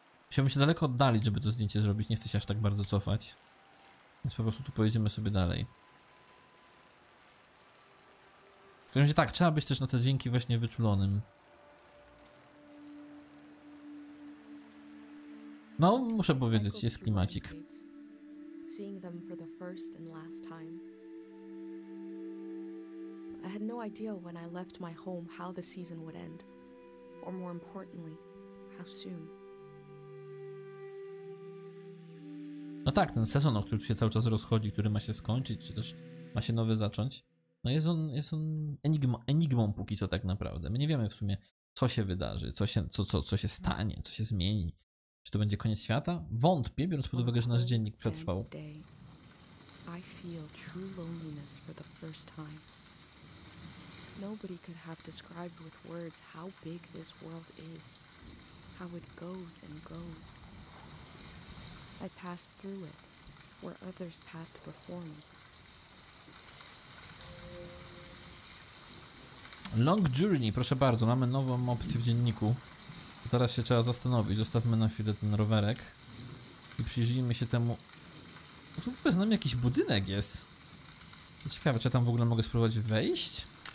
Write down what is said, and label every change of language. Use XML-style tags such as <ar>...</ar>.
<pl>Musiałbym się daleko oddalić, żeby to zdjęcie zrobić. Nie chcę się aż tak bardzo cofać. Więc po prostu tu pojedziemy sobie dalej. W każdym razie tak, trzeba być też na te dźwięki właśnie wyczulonym. No, muszę powiedzieć, jest klimacik.</pl> <en>seeing them for the first and last time. I had no idea when I left my home how the season would end, or more importantly, how soon.</en> <pl>No tak, ten sezon, o którym się cały czas rozchodzi, który ma się skończyć, czy też ma się nowy zacząć, no jest on enigmą póki co tak naprawdę. My nie wiemy w sumie, co się wydarzy, co się stanie, co się zmieni. Czy to będzie koniec świata? Wątpię, biorąc pod uwagę, że nasz dziennik przetrwał.</pl> <en>I feel true loneliness for the first time. Nobody could have described with words how big this world is, how it goes and goes. I passed through it, where others passed before me.</en> <pl>Long journey, proszę bardzo, mamy nową opcję w dzienniku. Teraz się trzeba zastanowić, zostawmy na chwilę ten rowerek i przyjrzyjmy się temu. No tu w ogóle znam jakiś budynek jest. Ciekawe, czy ja tam w ogóle mogę spróbować wejść?</pl>